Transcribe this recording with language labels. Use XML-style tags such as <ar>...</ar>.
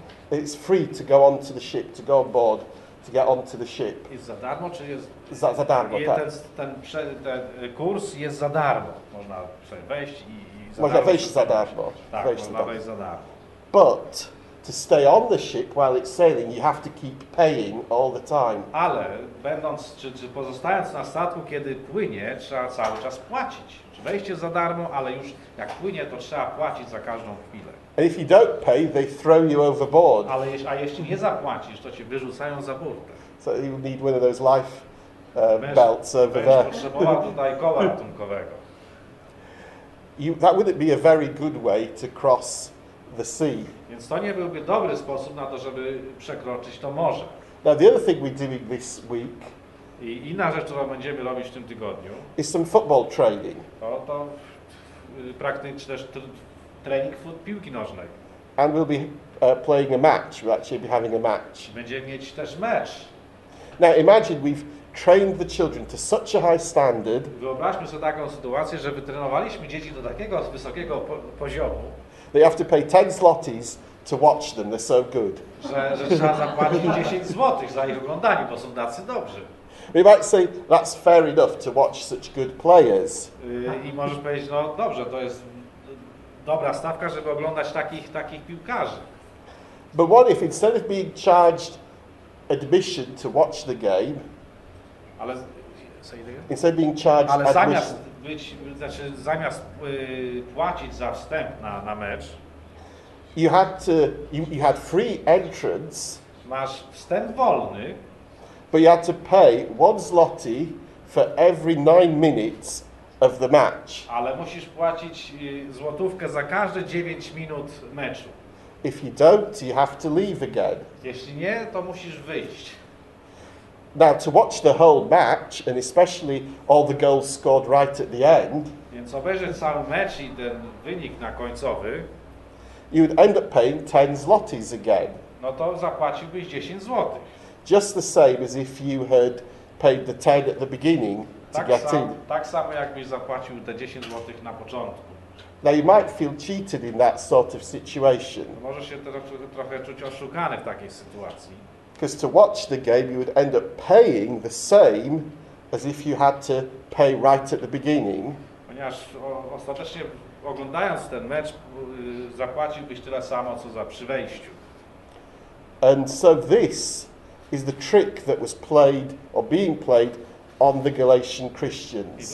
<en>It's free to go onto the ship, to go on board, to get onto the ship.</en> <pl>Jest za darmo, czy jest? Za darmo, tak. Ten kurs jest za darmo. Można wejść i za darmo. Można wejść za darmo. Tak, wejść za darmo.</pl> <en>But to stay on the ship while it's sailing, you have to keep paying all the time.</en> <pl>Ale będąc, czy pozostając na statku, kiedy płynie, trzeba cały czas płacić. Czy wejście za darmo, ale już jak płynie, to trzeba płacić za każdą chwilę.</pl> <en>And if you don't pay, they throw you overboard.</en> <pl>Ale a jeśli nie zapłacisz, to cię wyrzucają za burtę.</pl> <en>So you need one of those life belts over there.</en> <pl>Potrzebował tutaj koła ratunkowego.</pl> <en>That wouldn't be a very good way to cross the sea.</en> <pl>Więc to nie byłby dobry sposób na to, żeby przekroczyć to morze.</pl> <en>Now the other thing we're doing this week.</en> <pl>I inna rzecz, którą będziemy robić w tym tygodniu.</pl> <en>Is some football training.</en> <pl>To praktycznie też trening piłki nożnej.</pl> <en>And we'll be playing a match. We'll actually be having a match.</en> <pl>Będziemy mieć też mecz.</pl> <en>Now imagine we've trained the children to such a high standard.</en> <pl>Wyobraźmy sobie taką sytuację, że wytrenowaliśmy dzieci do takiego wysokiego poziomu.</pl> <en>They have to pay 10 zlotys to watch them. They're so good.</en> <pl>Że trzeba zapłacić 10 zlotych za ich oglądanie, bo są tacy dobrzy.</pl> <en>We might say that's fair enough to watch such good players.</en> <pl>I możesz powiedzieć, no dobrze, to jest dobra stawka, żeby oglądać takich piłkarzy.</pl> <en>But what if instead of being charged admission to watch the game, ale, say it again. Instead of being charged</en> <pl>ale zamiast</pl> <en>admission,</en> <pl>być, znaczy zamiast płacić za wstęp na mecz,</pl> <en>you had free entrance.</en> <pl>Masz wstęp wolny.</pl> <en>But you had to pay one zloty for every 9 minutes of the match.</en> <pl>Ale musisz płacić złotówkę za każde 9 minut meczu.</pl> <en>If you don't, you have to leave again.</en> <pl>Jeśli nie, to musisz wyjść.</pl> <en>Now to watch the whole match and especially all the goals scored right at the end.</en> <pl>Więc obejrzeć cały mecz i ten wynik na końcowy.</pl> <en>You would end up paying 10 zlotys again.</en> <pl>No to zapłaciłbyś 10 złotych.</pl> <en>Just the same as if you had paid the 10 at the beginning to get in.</en> <pl>Tak samo jakbyś zapłacił te 10 złotych na początku.</pl> <en>Now you might feel cheated in that sort of situation.</en> <pl>Możesz się trochę czuć oszukany w takiej sytuacji.</pl> <en>Because to watch the game you would end up paying the same as if you had to pay right at the beginning.</en> <pl>Ponieważ ostatecznie oglądając ten mecz zapłaciłbyś tyle samo co za przy wejściu.</pl> <en>And so this is the trick that was played or being played on the Galatian Christians.</en>